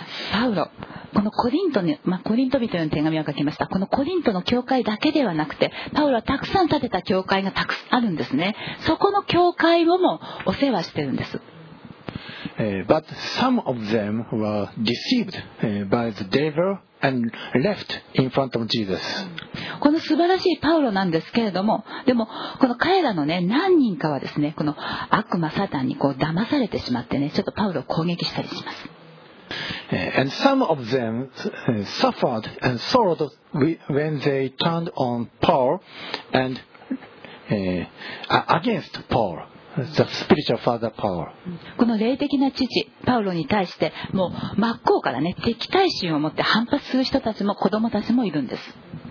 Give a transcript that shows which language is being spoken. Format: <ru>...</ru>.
<ja>パウロ、このコリントに、まあ、コリント人への手紙を書きました。このコリントの教会だけではなくて、パウロはたくさん建てた教会がたくさんあるんですね。そこの教会をもお世話してるんです。</ja> <en>But some of them were deceived by the devil and left in front of Jesus.</en> <ja>この素晴らしいパウロなんですけれども、でもこの彼らのね何人かはですね、この悪魔サタンにこう騙されてしまってね、ちょっとパウロを攻撃したりします。</ja> <en>And some of them suffered and sorrowed when they turned on Paul and against Paul. The spiritual father Paul.</en> <ja>この霊的な父パウロに対してもう真っ向からね敵対心を持って反発する人たちも子供たちもいるんです。</ja>